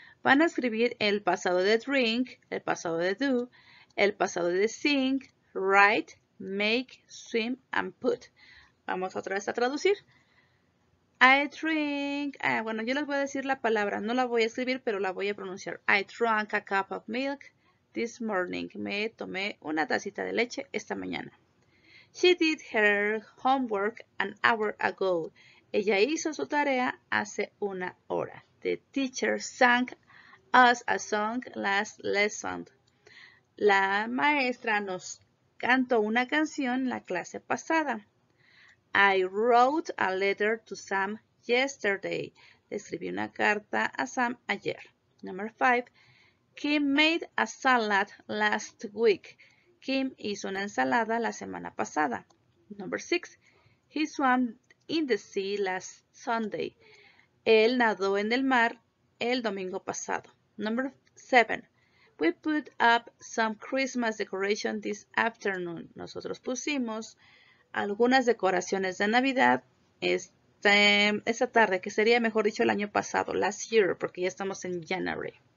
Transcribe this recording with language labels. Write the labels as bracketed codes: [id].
[es] Van a escribir el pasado de drink, el pasado de do, el pasado de sing, [en] Write, make, swim, and put. [es] Vamos otra vez a traducir. I drink. Bueno, yo les voy a decir la palabra. No la voy a escribir, pero la voy a pronunciar. [en] I drank a cup of milk this morning. [es] Me tomé una tacita de leche esta mañana. [en] She did her homework an hour ago. [es] Ella hizo su tarea hace una hora. [en] The teacher sang us a song last lesson. [es] La maestra nos cantó una canción la clase pasada. [en] I wrote a letter to Sam yesterday. [es] Escribí una carta a Sam ayer. [en] Number 5. Kim made a salad last week. [es] Kim hizo una ensalada la semana pasada. [en] Number 6. He swam in the sea last Sunday. [es] Él nadó en el mar el domingo pasado. [en] Number 7. We put up some Christmas decoration this afternoon. [es] Nosotros pusimos algunas decoraciones de Navidad esta tarde, que sería mejor dicho el año pasado, [en] last year, [es] porque ya estamos en January.